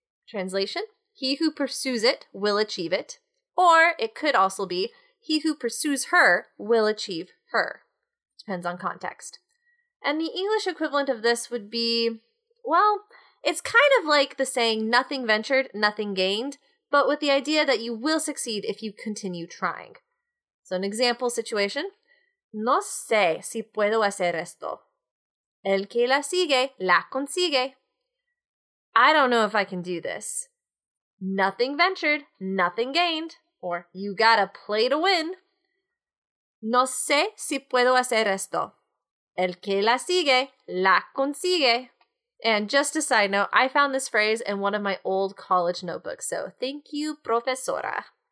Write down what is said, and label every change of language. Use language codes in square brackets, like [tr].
[en] Translation, he who pursues it will achieve it. Or it could also be, he who pursues her will achieve her. Depends on context. And the English equivalent of this would be, well, it's kind of like the saying, nothing ventured, nothing gained, but with the idea that you will succeed if you continue trying. So an example situation. [es] No sé si puedo hacer esto. El que la sigue, la consigue. [en] I don't know if I can do this. Nothing ventured, nothing gained. Or, you gotta play to win. [es] No sé si puedo hacer esto. El que la sigue, la consigue. [en] And just a side note, I found this phrase in one of my old college notebooks, so thank you, profesora.